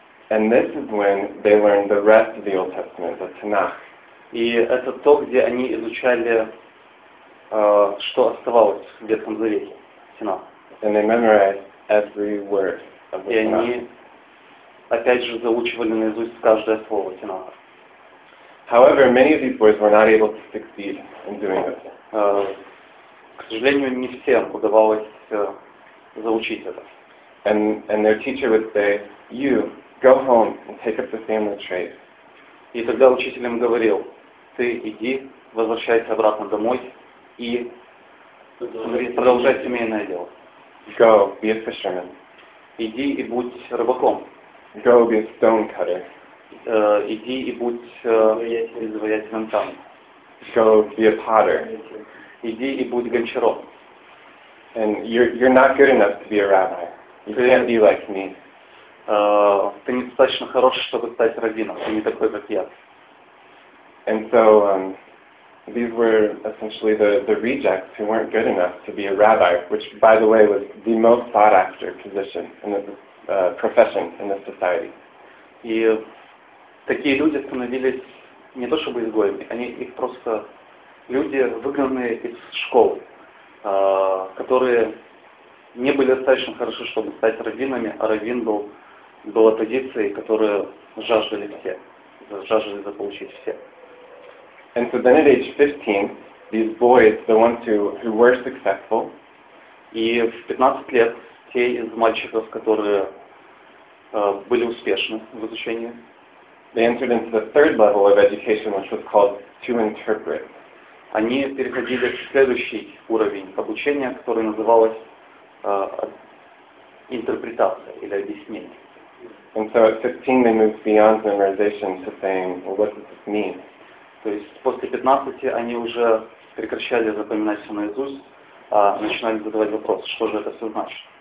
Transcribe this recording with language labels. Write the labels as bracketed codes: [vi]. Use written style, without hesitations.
[en] And this is when they learned the rest of the Old Testament, the Tanakh. [ru] И это то, где они изучали, что оставалось в Ветхом Завете, Тинах. [en] And they memorized every word of the Tanakh. [ru] И они, опять же, заучивали наизусть каждое слово Тинаха. [en] However, many of these boys were not able to succeed in doing this. [ru] К сожалению, не всем удавалось заучить это. [en] And their teacher would say, "You go home and take up the family trade." [ru] И тогда учитель им говорил: "Ты иди, возвращайся обратно домой и продолжай семейное дело." [en] Go be a fisherman. [ru] Иди и будь рыбаком. [en] Go be a stone cutter. [ru] Иди и будь изваятелем камня. [en] Go be a potter. [ru] Иди и будь гончаром. [en] And you're not good enough to be a rabbi. You can't be like me. [ru] Ты недостаточно хорош, чтобы стать раввином. Ты не такой, как я. [en] And so these were essentially the rejects who weren't good enough to be a rabbi, which, by the way, was the most sought after position in the profession in this society. [ru] И такие люди становились не то чтобы изгоями, они их просто люди, выгнанные из школ, которые не были достаточно хороши, чтобы стать раввинами, а раввин была позицией, которую жаждали все, жаждали заполучить все. [en] And so then at age 15, these boys, the ones who were successful, [ru] и в 15 лет те из мальчиков, которые были успешны в изучении, [en] they entered into the third level of education, which was called to interpret. [ru] Они переходили в следующий уровень обучения, который называлось интерпретация или объяснение. [en] And so at 15 they moved beyond memorization to saying, well, what does this mean? [ru] То есть после 15 они уже прекращали запоминать все наизусть, а начинали задавать вопрос, что же это все значит.